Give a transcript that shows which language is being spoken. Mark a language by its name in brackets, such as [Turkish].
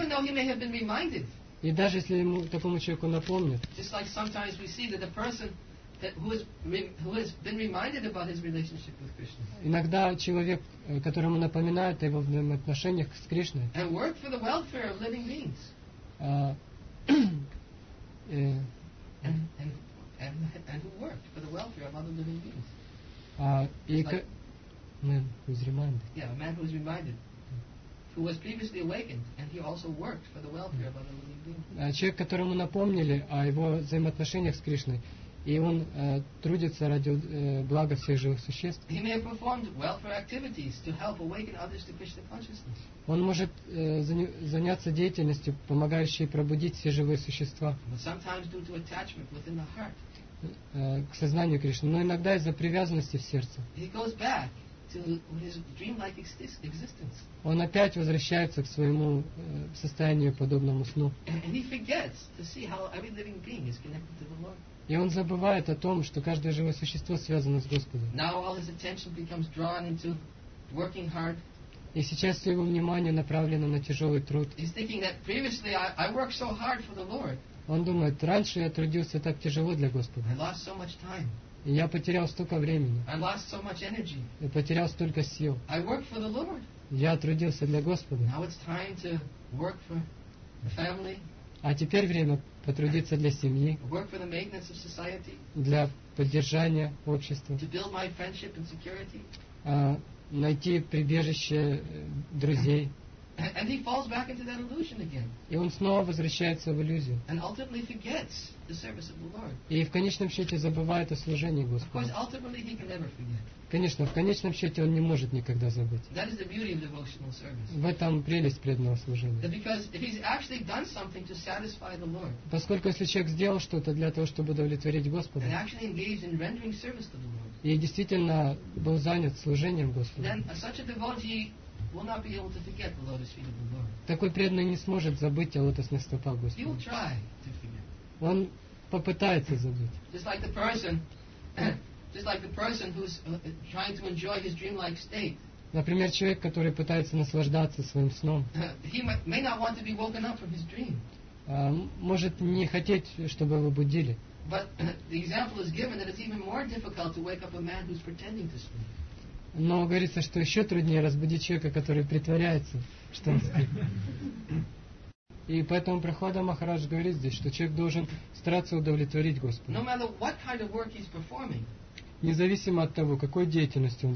[Russian] И даже если ему такому человеку напомнят, иногда человек, которому напоминают о его взаимоотношениях с Кришной, [English] and work for the welfare of living beings. And who worked for the welfare of other living beings? man who's reminded. Yeah, a man who's reminded. Who was previously awakened, and he also worked for the welfare of other living beings. [Russian] Человек, которому напомнили о его взаимоотношениях с Кришной, и он трудится ради блага всех живых существ. [English] He may have performed welfare activities to help awaken others to Krishna consciousness. [Russian] Он может заняться деятельностью, помогающей пробудить все живые существа. [English] But sometimes due to attachment within the heart. [Russian] К сознанию Кришны, но иногда из-за привязанности в сердце. [English] He goes back. To his dreamlike existence. [Russian] Он опять возвращается к своему состоянию подобному сну. [English] And he forgets to see how every living being is connected to the Lord. [Russian] И он забывает о том, что каждое живое существо связано с Господом. [English] Now all his attention becomes drawn into working hard. [Russian] И сейчас все его внимание направлено на тяжелый труд. [English] He's thinking that previously I worked so hard for the Lord. [Russian] Он думает, раньше я трудился так тяжело для Господа. [English] I lost so much time. [Russian] Я потерял столько времени. [English] I lost so much energy. [Russian] Я потерял столько сил. [English] I worked for the Lord. [Russian] Я трудился для Господа. [English] Now it's time to work for the family. [Russian] А теперь время потрудиться для семьи. [English] Work for the maintenance of society. [Russian] Для поддержания общества. [English] To build my friendship and security. [Russian] Найти прибежище друзей. [English] And he falls back into that illusion again. [Russian] И он снова возвращается в иллюзию. [English] And ultimately forgets the service of the Lord. [Russian] И в конечном счете забывает о служении Господу. [English] Because ultimately he can never forget. [Russian] Конечно, в конечном счете он не может никогда забыть. [English] That is the beauty of devotional service. [Russian] В этом прелесть преданного служения. [English] That because if he's actually done something to satisfy the Lord. [Russian] Поскольку если человек сделал что-то для того, чтобы удовлетворить Господа. [English] And actually engaged in rendering service to the Lord. [Russian] И действительно был занят служением Господу. [English] Then such a devotee will not be able to forget the lotus feet of the Lord. [Russian] Такой преданный не сможет забыть о лотосных стопах Господа. [English] He will try to forget. [Russian] Он попытается забыть. [English] Just like the person who's trying to enjoy his dreamlike state. [Russian] Например, человек, который пытается наслаждаться своим сном. [English] He may not want to be woken up from his dream. [Russian] Может не хотеть, чтобы его будили. [English] But the example is given that it's even more difficult to wake up a man who's pretending to sleep. [Russian] Но говорится, что еще труднее разбудить человека, который притворяется, что он спит. И поэтому Прохлада Махарадж говорит здесь, что человек должен стараться удовлетворить Господа. [English] No matter what kind of work he's performing, [Russian] независимо от того, какой деятельностью он